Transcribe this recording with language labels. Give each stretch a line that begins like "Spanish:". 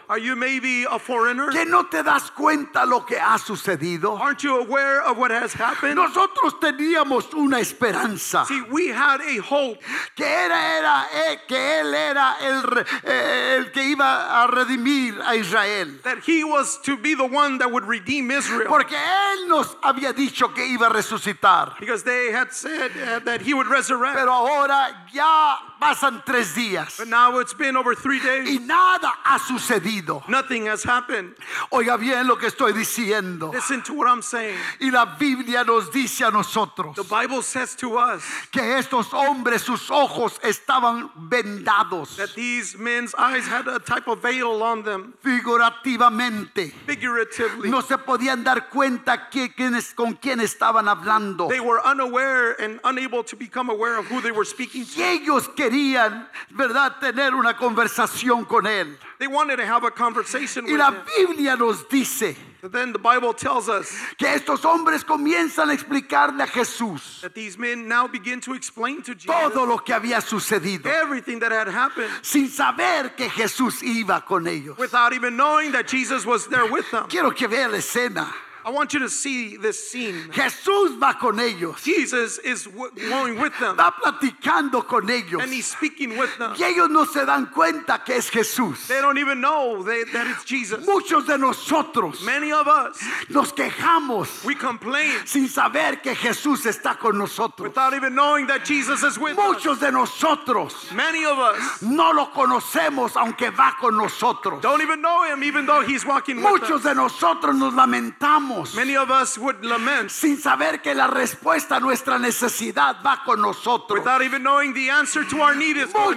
English: Are you maybe a foreigner?
Spanish: ¿Que no te das cuenta lo que ha sucedido?
English: Aren't you aware of what has happened?
Spanish: Nosotros teníamos una esperanza.
English: See, we had a hope.
Spanish: Que él era el que iba a redimir a Israel.
English: That he was to be the one that would redeem Israel.
Spanish: Porque él nos había dicho que iba a resucitar.
English: Because they had said that he would resurrect.
Spanish: Pero ahora ya pasan tres días.
English: But now it's been over 3 days.
Spanish: Y nada ha sucedido.
English: Nothing has happened.
Spanish: Oiga bien lo que estoy diciendo.
English: Listen to what I'm saying.
Spanish: Y la Biblia nos dice a nosotros.
English: The Bible says to us.
Spanish: Que estos hombres, sus ojos estaban vendados.
English: That these men's eyes had a type of veil on them.
Spanish: Figurativamente.
English: Figuratively.
Spanish: No se podían dar cuenta con quién estaban hablando.
English: They were unaware and unable to become aware of who they were speaking to.
Spanish: Y ellos querían, ¿verdad?, tener una conversación con él.
English: They wanted to have a conversation with him.
Spanish: Y la Biblia nos dice,
English: then the Bible tells us,
Spanish: que estos hombres comienzan a explicarle a Jesús,
English: that these men now begin to explain to Jesus,
Spanish: todo lo que había sucedido,
English: everything that had happened,
Spanish: sin saber que Jesús iba con ellos,
English: without even knowing that Jesus was there with them.
Spanish: Quiero que vea la escena.
English: I want you to see this scene.
Spanish: Jesús va con ellos.
English: Jesus is going with them.
Spanish: Va platicando con ellos.
English: And he's speaking with them.
Spanish: Y ellos no se dan cuenta que es Jesús.
English: They don't even know that it's Jesus.
Spanish: Muchos de nosotros,
English: many of us,
Spanish: nos quejamos,
English: we complain,
Spanish: sin saber que Jesús está con nosotros,
English: without even knowing that Jesus is with
Spanish: muchos
English: us.
Spanish: De nosotros,
English: many of us,
Spanish: no lo conocemos aunque va con nosotros,
English: don't even know him even though he's walking
Spanish: muchos
English: with us.
Spanish: Muchos de nosotros nos lamentamos lamentamos.
English: Many of us would lament.
Spanish: Sin saber que la respuesta a nuestra necesidad va con nosotros.
English: Without even knowing the answer to our need is going